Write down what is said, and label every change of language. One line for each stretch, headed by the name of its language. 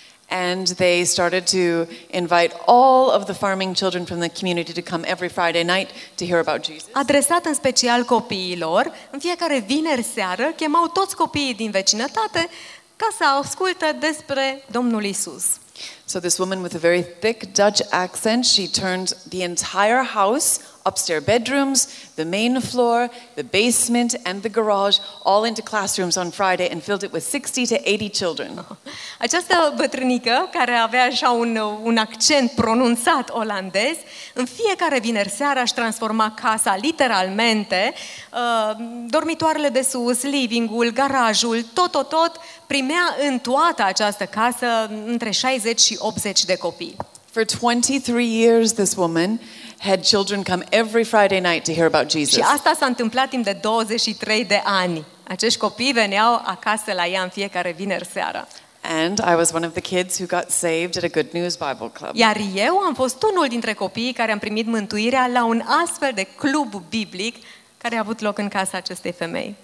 English: And they started to invite all of the farming children from the community to come every Friday night to hear about Jesus.
Romanian: Adresat în special copiilor, în fiecare vineri seară chemau toți copiii din vecinătate ca să asculte despre Domnul Isus.
English: So this woman with a very thick Dutch accent, she turned the entire house, upstairs bedrooms, the main floor, the basement and the garage, all into classrooms on Friday and filled it with 60 to 80 children.
Romanian: Această bătrânică, care avea așa un accent pronunțat olandez, în fiecare vineri seară își transforma casa literalmente, dormitoarele de sus, livingul, garajul, tot, primea în toată această casă între 60 și 80 de copii.
English: For 23 years this woman had children come every Friday night to hear about Jesus.
Romanian: Și asta s-a întâmplat timp de 23 de ani. Acești copii veneau acasă la ea în fiecare vineri seara.
English: And I was one of the kids who got saved at a Good News Bible Club.
Romanian: Iar eu am fost unul dintre copiii care am primit mântuirea la un astfel de club biblic care a avut loc în casa acestei femei.